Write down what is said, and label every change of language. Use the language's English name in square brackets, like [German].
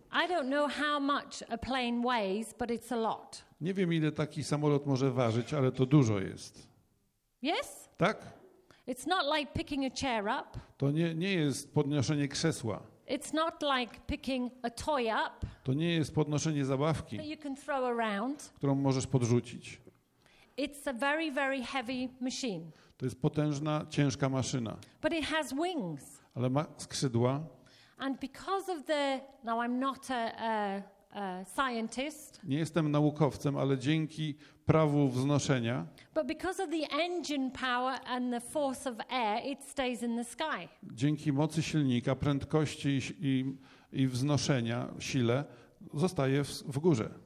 [English] I don't know how much a plane weighs, but it's a lot. [Polish] Nie wiem, ile taki samolot może ważyć, ale to dużo jest. [English] Yes? [Polish] Tak? [English] It's not like picking a chair up. [Polish] To nie jest podnoszenie krzesła. [English] It's not like picking a toy up. [Polish] To nie jest podnoszenie zabawki, [English] you can throw around. [Polish] Którą możesz podrzucić. [English] It's a very, very heavy machine. [Polish] To jest potężna, ciężka maszyna. [English] But it has wings. [Polish] Ale ma skrzydła. [English] And because of the, now I'm not a scientist. [Polish] Nie jestem naukowcem, ale dzięki prawu wznoszenia. [English] But because of the engine power and the force of air, it stays in the sky. [Polish] Dzięki mocy silnika, prędkości i wznoszenia, sile, zostaje w górze.